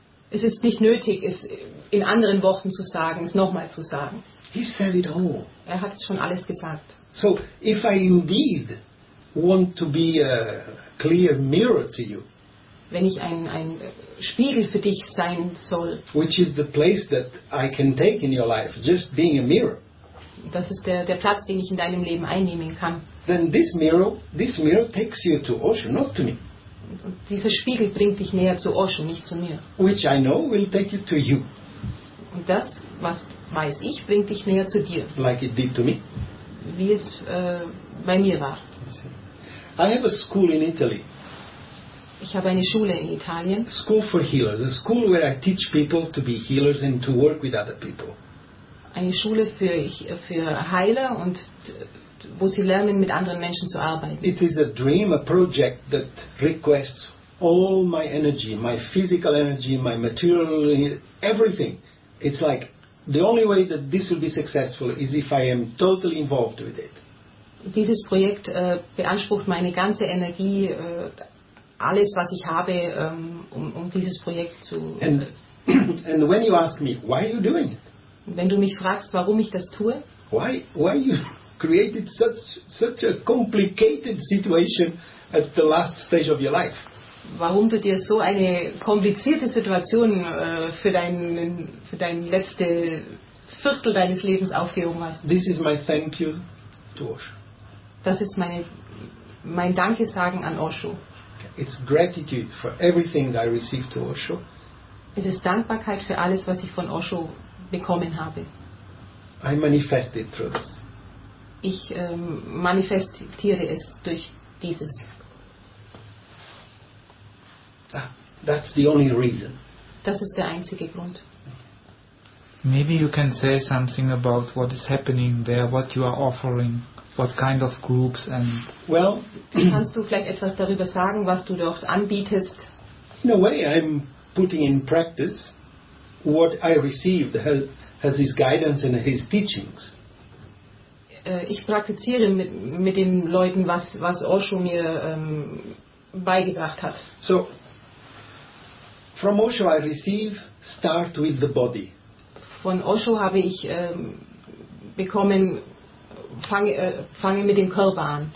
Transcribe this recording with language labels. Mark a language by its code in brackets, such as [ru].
[de] Es ist nicht nötig, es in anderen Worten zu sagen, es nochmal zu sagen. [en] He said it all. [de] Er hat schon alles gesagt. [en] So, if I indeed want to be a clear mirror to you. [de] Wenn ich ein Spiegel für dich sein soll. [en] Which is the place that I can take in your life, just being a mirror. [de] Das ist der Platz, den ich in deinem Leben einnehmen kann. [en] Then this mirror takes you to Osho, not to me. [de] Und dieser Spiegel bringt dich näher zu Osho, nicht zu mir. [en] Which I know will take you to you. [de] Und das, was weiß ich, bringt dich näher zu dir. [en] Like it did to me. [de] Wie es bei mir war. [en] I have a school in Italy. [de] Ich habe eine Schule in Italien. [en] School for healers, a school where I teach people to be healers and to work with other people. [de] Eine Schule für Heiler und wo sie lernen, mit anderen Menschen zu arbeiten. [en] It is a dream, a project that requests all my energy, my physical energy, my material, everything. It's like the only way that this will be successful is if I am totally involved with it. [de] Dieses Projekt beansprucht meine ganze Energie, alles, was ich habe, um dieses Projekt zu. [en] And when you ask me, why are you doing it? [de] Wenn du mich fragst, warum ich das tue? [en] Why you created such a complicated situation at the last stage of your life? [de] Warum du dir so eine komplizierte Situation für dein letztes Viertel deines Lebens aufgehoben hast? [en] This is my thank you to Osho. [de] Das ist mein Dankesagen an Osho. [en] It's gratitude for everything that I received to Osho. [de] Es ist Dankbarkeit für alles, was ich von Osho bekommen habe. [en] I manifest it through this. [de] Ich manifestiere es durch dieses. [en] That's the only reason. [de] Das ist der einzige Grund. [en] Maybe you can say something about what is happening there, what you are offering, what kind of groups and... Well... [de] Kannst du vielleicht etwas darüber sagen, was du dort anbietest? [en] In a way, I'm putting in practice what I received as his guidance and his teachings. [de] Ich praktiziere mit den Leuten, was Osho mir beigebracht hat. [en] So, from Osho I receive, start with the body. [de] Von Osho habe ich bekommen, fange mit dem Körper an.